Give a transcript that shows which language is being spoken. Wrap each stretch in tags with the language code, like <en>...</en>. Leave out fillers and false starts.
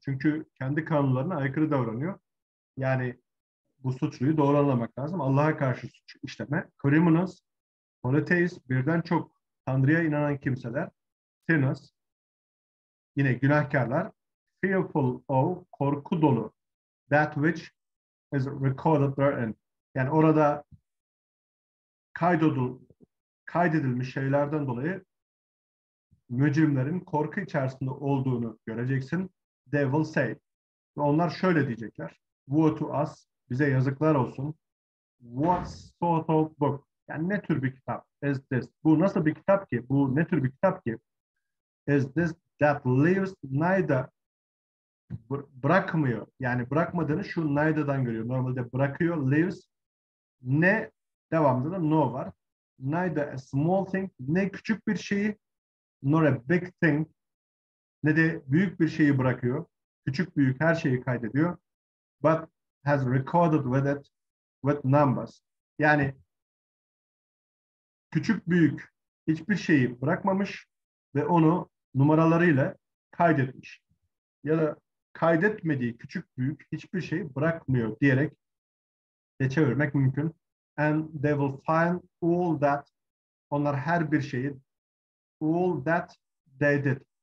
<tr>Çünkü kendi kanunlarına aykırı davranıyor. Yani bu suçluyu doğru anlamak lazım. Allah'a karşı suç işleme. Criminals, politeist, birden çok Tanrı'ya inanan kimseler. Sinners, yine günahkarlar.</tr> <en>Fearful of,</en> <tr>korku dolu.</tr> <en>That which is recorded therein.</en> <tr>Yani orada kaydedilmiş şeylerden dolayı mücrimlerin korku içerisinde olduğunu göreceksin.</tr> <en>They will say.</en> <tr>Ve onlar şöyle diyecekler.</tr> <en>Woe to us.</en> <tr>Bize yazıklar olsun.</tr> <en>What sort of book?</en> <tr>Yani ne tür bir kitap?</tr> <en>Is this?</en> <tr>Bu nasıl bir kitap ki? Bu ne tür bir kitap ki?</tr> <en>Is this that leaves neither?</en> <tr>Bırakmıyor. Yani bırakmadığını şu neither'dan görüyor. Normalde bırakıyor. Leaves. Ne? Devamında da no var.</tr> <en>Neither a small thing.</en> <tr>Ne küçük bir şeyi,</tr> <en>nor a big thing.</en> <tr>Ne de büyük bir şeyi bırakıyor. Küçük büyük her şeyi kaydediyor.</tr> <en>But has recorded with it with numbers.</en> <tr>Yani küçük büyük hiçbir şeyi bırakmamış ve onu numaralarıyla kaydetmiş. Ya da kaydetmediği küçük büyük hiçbir şeyi bırakmıyor diyerek de çevirmek mümkün.</tr> <en>And they will find all that,</en> <tr>onlar her bir şeyi,</tr> <en>all that they did.</en>